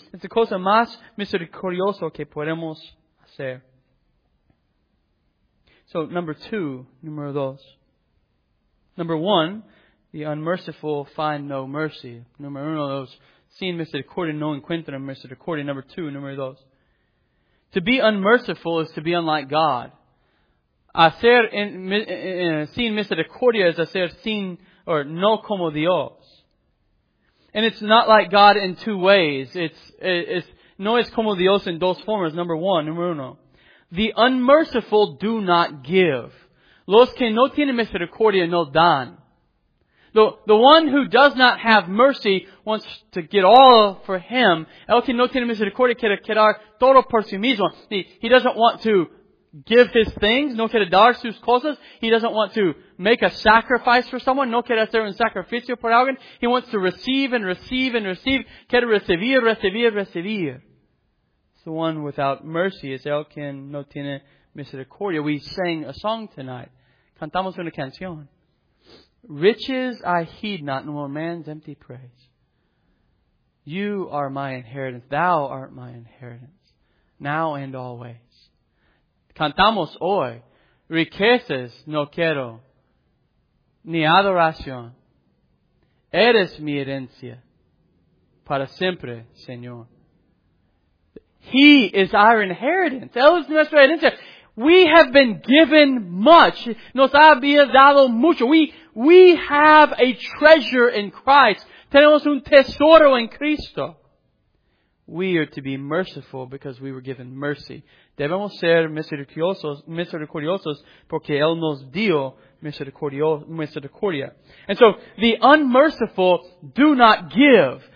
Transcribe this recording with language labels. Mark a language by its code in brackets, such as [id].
[es] Es la cosa más misericordiosa que podemos hacer. [en] So, [es] número dos. [en] Number one, the unmerciful find no mercy. [es] Number uno, those sin misericordia no encuentran misericordia. [en] Number two, [es] número dos. [en] To be unmerciful is to be unlike God. [es] Hacer sin misericordia es hacer sin or no como Dios. [en] And it's not like God in two ways. [es] It's no es como Dios en dos formas. [en] Number one, [es] número uno. [en] The unmerciful do not give. [es] Los que no tienen misericordia no dan. [en] The one who does not have mercy wants to get all for him. [es] El que no tiene misericordia quiere quedar todo por sí mismo. [en] He doesn't want to give his things. [es] No quiere dar sus cosas. [en] He doesn't want to make a sacrifice for someone. [es] No quiere hacer un sacrificio por alguien. [en] He wants to receive and receive and receive. [es] Quiere recibir, recibir, recibir. [en] It's the one without mercy. [es] Es el que no tiene misericordia. [en] We sang a song tonight. [es] Cantamos una canción. [en] Riches I heed not, nor man's empty praise. You are my inheritance. Thou art my inheritance. Now and always. [es] Cantamos hoy. Riquezas no quiero. Ni adoración. Eres mi herencia. Para siempre, Señor. [en] He is our inheritance. [es] Él es nuestra herencia. [en] We have been given much. [es] Nos había dado mucho. [en] We have a treasure in Christ. [es] Tenemos un tesoro en Cristo. [en] We are to be merciful because we were given mercy. [es] Debemos ser misericordiosos porque Él nos dio misericordia. [en] And so, the unmerciful do not give.